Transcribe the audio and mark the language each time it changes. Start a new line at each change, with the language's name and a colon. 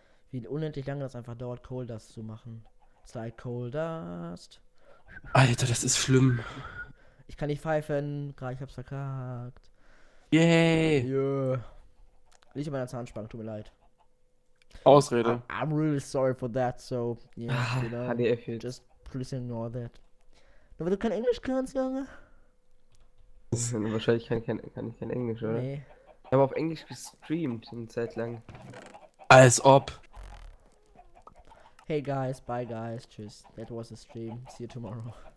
German: Wie unendlich lange das einfach dauert, Coal Dust zu machen. Sei Coal Dust. Alter, das ist schlimm. Ich kann nicht pfeifen. Gerade ich hab's verkackt. Yay. Yeah. Nicht in meiner Zahnspange, tut mir leid. Ausrede.
English: I'm really sorry for that, so. Yeah, you know. Just please ignore that.
German: Aber du kein Englisch kannst, Junge. Wahrscheinlich kann ich kein Englisch, oder? Nee. Ich habe auf Englisch gestreamt eine Zeit lang. Als ob.
English: Hey guys, bye guys, tschüss. That was a stream. See you tomorrow.